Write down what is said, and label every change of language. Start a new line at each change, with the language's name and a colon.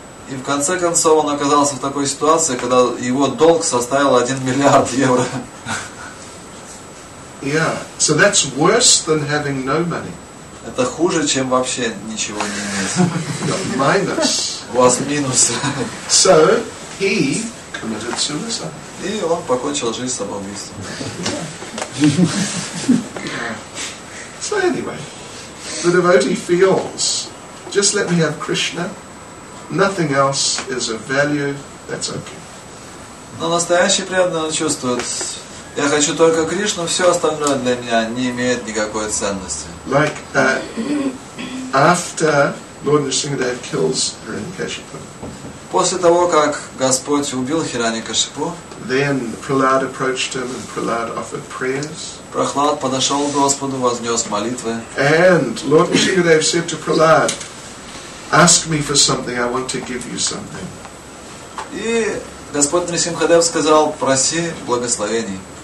Russian: И в конце концов он оказался в такой ситуации, когда его долг составил 1 миллиард евро.
English: Yeah, so that's worse than having no money.
Russian: Это хуже, чем вообще ничего не иметь.
English: Minus.
Russian: У вас минус.
English: So he committed suicide.
Russian: И он покончил жизнь самоубийством.
English: So anyway, the devotee feels, just let me have Krishna. Nothing else is of value. That's okay.
Russian: Но настоящий преданный чувствует. Я хочу только Кришну, все остальное для меня не имеет никакой ценности.
English: Like after Lord Nrisimhadev kills Hiranyakashipu.
Russian: После того, как Господь убил Хираньякашипу,
English: then Prahlad approached him and Prahlad offered prayers.
Russian: Прохлад подошел к Господу, вознес молитвы.
English: And Lord Nrisimhadev said to Prahlad, "Ask me for something. I want to give you something."
Russian: И Господь Нрисимхадев сказал: "Проси благословений."